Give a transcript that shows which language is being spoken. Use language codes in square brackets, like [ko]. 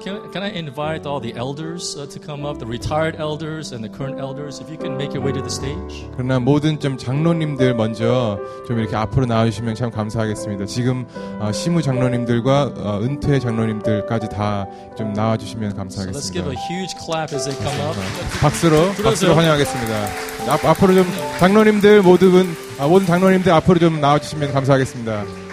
[en] Can I invite all the elders to come up, the retired elders and the current elders, if you can make your way to the stage? [ko] 그러나 모든 좀 장로님들 먼저 좀 이렇게 앞으로 나와주시면 참 감사하겠습니다. 지금 시무 장로님들과 은퇴 장로님들까지 다 좀 나와주시면 감사하겠습니다. [en] So let's give a huge clap as they come up. [ko] 박수로 환영하겠습니다. 앞으로 좀 장로님들 모든 장로님들 앞으로 좀 나와주시면 감사하겠습니다.